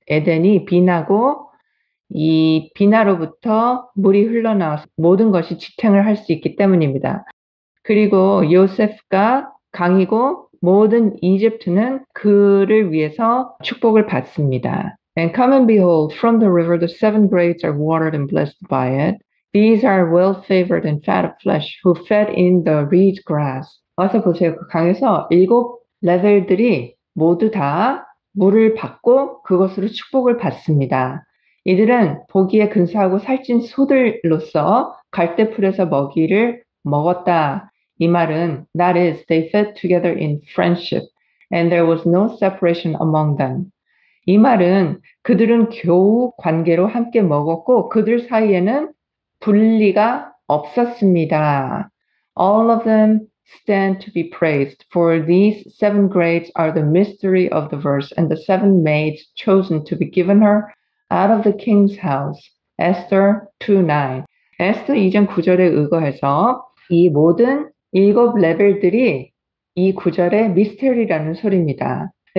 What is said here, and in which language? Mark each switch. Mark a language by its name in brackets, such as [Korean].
[Korean] 에덴이 빈하고 이 빈하로부터 물이 흘러나와서 모든 것이 지탱을 할수 있기 때문입니다. 그리고 요셉과 강이고 모든 이집트는 그를 위해서 축복을 받습니다. [English] And come and behold, from the river the 7 grapes are watered and blessed by it. These are well favored and fat of flesh who fed in the reed grass. [Korean] 와서 보세요. 그 강에서 7 레벨들이 모두 다 물을 받고 그것으로 축복을 받습니다. 이들은 보기에 근사하고 살찐 소들로서 갈대풀에서 먹이를 먹었다. 이 말은 [English] that is, they fed together in friendship and there was no separation among them. [Korean] 이 말은 그들은 교우 관계로 함께 먹었고 그들 사이에는 분리가 없었습니다. [English] All of them stand to be praised, for these 7 grapes are the mystery of the verse and the 7 maids chosen to be given her out of the king's house. Esther 2:9. [Korean] 에스더 2장 9절에 의거해서 이 모든 7 레벨들이 이 구절의 미스터리라는 소리입니다.